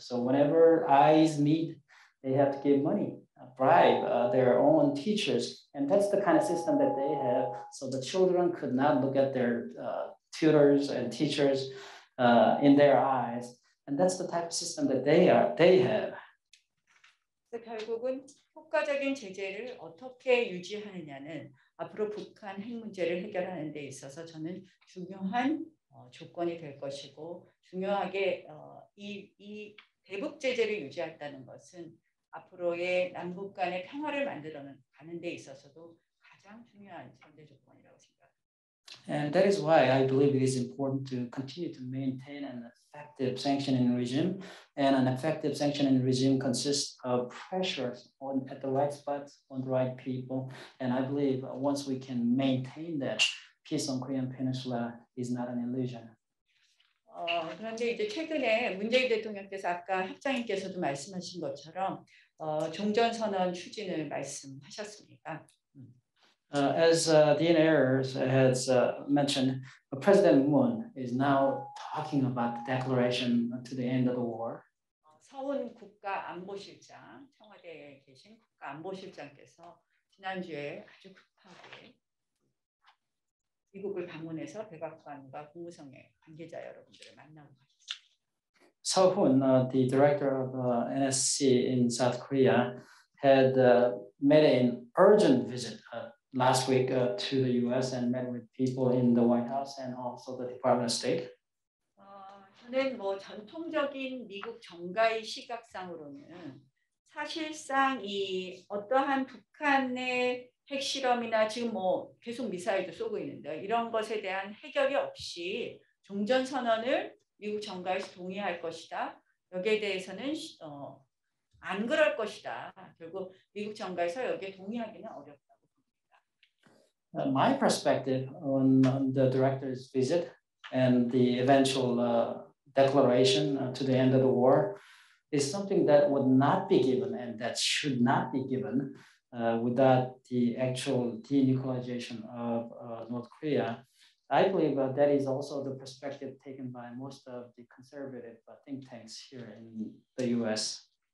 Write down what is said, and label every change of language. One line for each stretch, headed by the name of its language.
English: So whenever eyes meet, they have to give money, bribe their own teachers. And that's the kind of system that they have. So the children could not look at their tutors and teachers in their eyes. And that's the type of system that they have.
Korean: So 결국은 효과적인 제재를 어떻게 유지하느냐는 앞으로 북한 핵 문제를 해결하는 데 있어서 저는 중요한 조건이 될 것이고 중요하게 이 대북 제재를 유지한다는 것은 앞으로의 남북 간의 평화를 만들어가는 데 있어서도 가장 중요한 전제 조건이라고 생각합니다.
English: And that is why I believe it is important to continue to maintain an effective sanctioning regime. And an effective sanctioning regime consists of pressures on at the right spots on the right people. And I believe once we can maintain that, peace on Korean Peninsula is not an illusion.
Korean: 그런데 이제 최근에 문재인 대통령께서 아까 협장님께서도 말씀하신 것처럼 종전선언 추진을 말씀하셨습니다.
English: As DNA Errors has mentioned, President Moon is now talking about the declaration to the end of the war.
Korean: 서훈 국가안보실장, 청와대에 계신 국가안보실장께서 지난주에 아주 급하게 미국을 방문해서 백악관과 국무성의 관계자 여러분들을 만나고 가셨습니다.
English: Seo-hun, the director of NSC in South Korea, had made an urgent visit last week to the U.S. and met with people in the White House and also the Department of State.
Korean: 저는 뭐 전통적인 미국 정가의 시각상으로는 사실상 이 어떠한 북한의 핵실험이나 지금 뭐 계속 미사일도 쏘고 있는데 이런 것에 대한 해결이 없이 종전선언을 미국 정가에서 동의할 것이다. 여기에 대해서는 안 그럴 것이다. 결국 미국 정가에서 여기에 동의하기는 어렵다고 봅니다.
English: My perspective on the director's visit and the eventual declaration to the end of the war is something that would not be given and that should not be given. Without the actual denuclearization of North Korea, I believe that is also the perspective taken by most of the conservative think tanks here in the U.S.